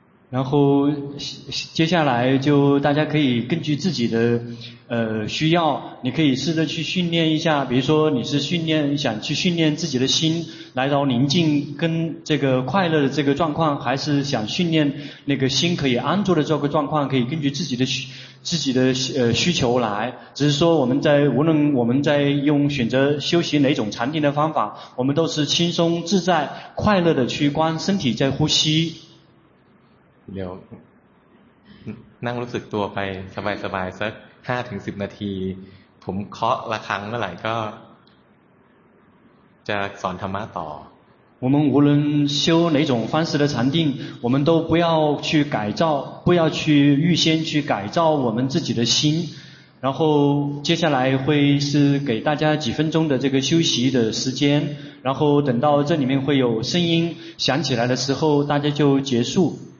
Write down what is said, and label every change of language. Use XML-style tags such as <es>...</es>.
<zh>然后接下来就大家可以根据自己的需要你可以试着去训练一下比如说你是训练想去训练自己的心来到宁静跟这个快乐的这个状况还是想训练那个心可以安住的这个状况可以根据自己的需求来只是说我们在无论我们在用选择修习哪种禅定的方法我们都是轻松自在快乐的去观身体在呼吸</zh> <th>เดี๋ยวนั่งรู้สึกตัวไปสบายสบายสัก 5-10 นาทีผมเคาะละครั้งเมื่อไหร่ก็จะสอนธรรมะต่อ</th> <zh>我们无论修哪种方式的禅定我们都不要去改造不要去预先去改造我们自己的心然后接下来会是给大家几分钟的这个休息的时间然后等到这里面会有声音响起来的时候大家就结束</zh>